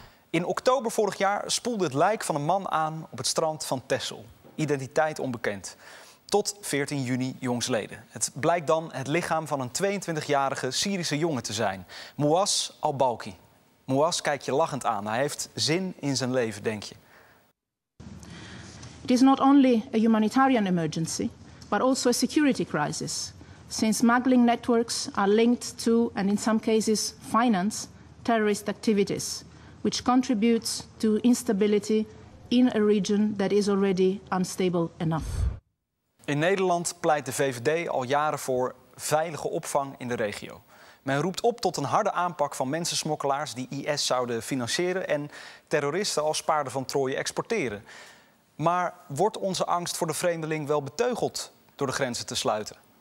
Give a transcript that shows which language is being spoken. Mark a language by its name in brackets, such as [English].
[Dutch] In oktober vorig jaar spoelde het lijk van een man aan op het strand van Texel. Identiteit onbekend. Tot 14 juni jongsleden. Het blijkt dan het lichaam van een 22-jarige Syrische jongen te zijn. Muaz Al-Balki. Muaz kijkt je lachend aan. Hij heeft zin in zijn leven, denk je. [English] It is not only a humanitarian emergency, but also a security crisis, since smuggling networks are linked to, and in some cases finance, terrorist activities, which contributes to instability in a region that is already unstable enough. [Dutch] In Nederland pleit de VVD al jaren voor veilige opvang in de regio. Men roept op tot een harde aanpak van mensensmokkelaars die IS zouden financieren en terroristen als paarden van Troje exporteren. Maar wordt onze angst voor de vreemdeling wel beteugeld door de grenzen te sluiten?